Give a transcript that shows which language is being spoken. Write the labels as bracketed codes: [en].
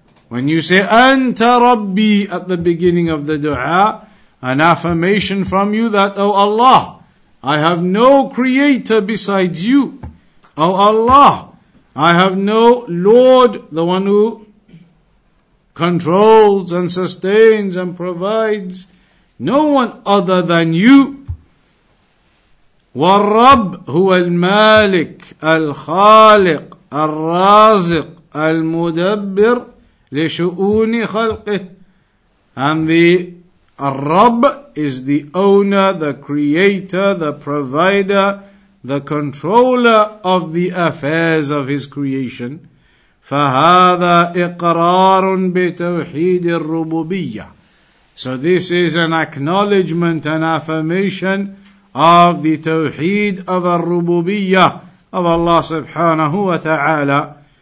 [en] When you say [ar] أَنْتَ رَبِّي [en] at the beginning of the dua, an affirmation from you that, O Allah, I have no creator besides you. O Allah, I have no Lord, the one who controls and sustains and provides, no one other than you. [ar] والرب هو المالك الخالق الرازق المدبر لشؤون خلقه. [en] And the Ar-Rabb, is the owner, the creator, the provider, the controller of the affairs of his creation. [ar] فَهَذَا إِقْرَارٌ بِتَوْحِيدِ الرُّبُوبِيَّةِ [en] So this is an acknowledgement, an affirmation of the tawheed of al-rububiyyah of Allah subhanahu wa ta'ala.